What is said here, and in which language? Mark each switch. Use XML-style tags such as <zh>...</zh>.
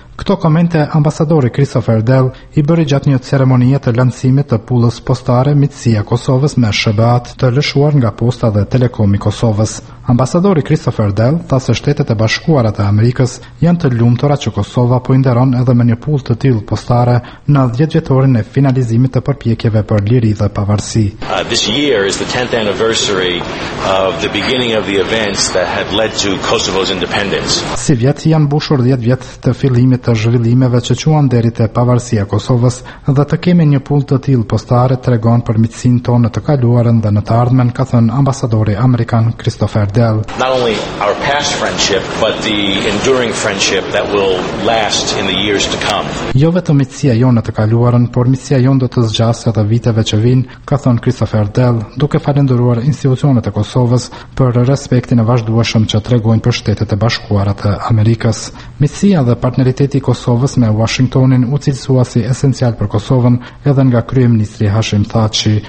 <sq>Këto komente, ambasadori Christopher Dell i bëri gjatë një ceremonie të lansimit të pullës postare miqësia Kosovës me SBA-t të lëshuar nga posta dhe telekomi Kosovës. Ambasadori Christopher Dell tha se shtetet e bashkuara të Amerikës janë të lumtura që Kosova po nderon edhe me një pullë të tillë postare në 10 vjetorin e finalizimit të përpjekjeve për liri dhe pavarësi.</sq> <en>This year is the 10th anniversary of the beginning of the events that had led to Kosovo's independence.</en> <sq>Si vjet janë mbushur 10 vjet të fillimit të zhvillimeve që quan deri te pavarësia e Kosovës dhe të kemi një pullë të tillë postare tregon për miqësinë tonë të kaluarën dhe në të ardhmen, ka thënë ambasadori Amerikan Christopher Dell.</sq> <en>Not only our past friendship, but the enduring friendship that will last in the years to come.</en> <sq>Jo vetëm miqësia jonë të kaluarën, por miqësia jonë do të zgjasë edhe viteve që vijnë, ka thënë Christopher Dell, duke falendëruar institucionet e Kosovës për respektin e vazhdueshëm që tregojnë për Shtetet e Bashkuara të Amerikës. Miqësia dhe partneriteti i Kosovës me Washingtonin u cilësua si esencial për Kosovën edhe nga kryeministri Hashim Thaçi.</sq>